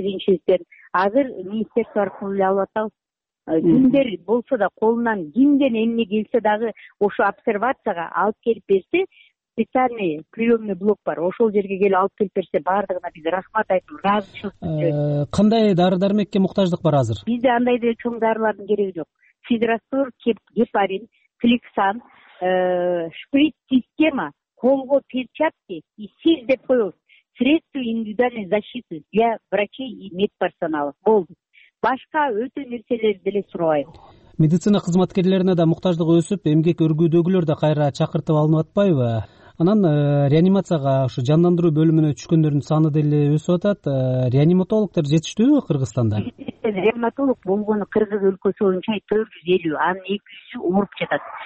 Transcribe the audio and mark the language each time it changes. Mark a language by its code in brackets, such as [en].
[ky] Биринчиден азыр министерство аркылуу эле алып атабыз. Кимдер болсо да колунан кимден эмне келсе дагы ошо обсервацияга алып келип берсе, специальный приемный блок бар, ошол жерге келип алып келип берсе баардыгына биз рахмат айтып ыраазычылык билдиребиз. Кандай дары дармекке муктаждык бар азыр? Бизде андай деле чоң дарылардын кереги жок. Сидрастор, гепарин, кликсан, шприт система, колго [ru] перчатки и СИЗ [ky] деп коебуз. [ru] Средство индивидуальной защиты для врачей и медперсонала. [ky] Болду. Башка өтө нерселерди деле сурабайбыз. Медицина кызматкерлерине да муктаждык өсүп, эмгек өргүүдөгүлөр да кайра чакыртып алынып атпайбы? Анан реанимацияга ушу жандандыруу бөлүмүнө түшкөндөрдүн саны деле өсүп атат. Реаниматологдор жетиштүүбү Кыргызстанда? жатса ревматолог болгону кыргыз өлкөсү боюнча 450, анын 200 ооруп жатат.